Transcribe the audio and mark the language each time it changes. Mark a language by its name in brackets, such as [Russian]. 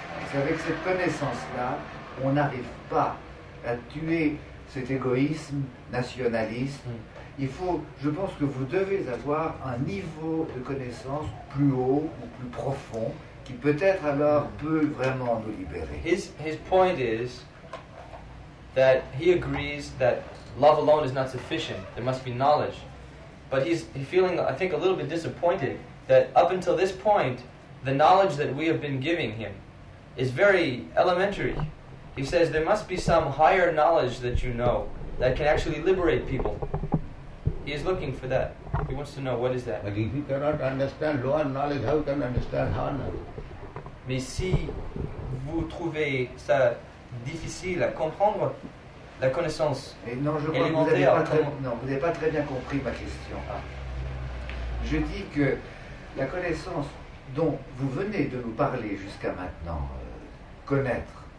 [French] C'est avec cette connaissance-là, on n'arrive pas à tuer cet égoïsme nationaliste. Je pense que vous devez avoir un niveau de connaissance plus haut ou plus profond qui peut-être alors peut vraiment nous libérer. [English] His point is that he agrees that love alone is not sufficient. There must be knowledge. But he's feeling, I think, a little bit disappointed that up until this point, the knowledge that we have been giving him is very elementary. He says there must be some higher knowledge that you know that can actually liberate people. He is looking for that. He wants to know what is that. But if you cannot understand lower knowledge, how can you understand higher knowledge? [French] Mais si vous trouvez ça difficile à comprendre, la connaissance élémentaire... Non, vous n'avez pas très bien compris ma question. Je dis que la connaissance dont vous venez de nous parler jusqu'à maintenant, connaître...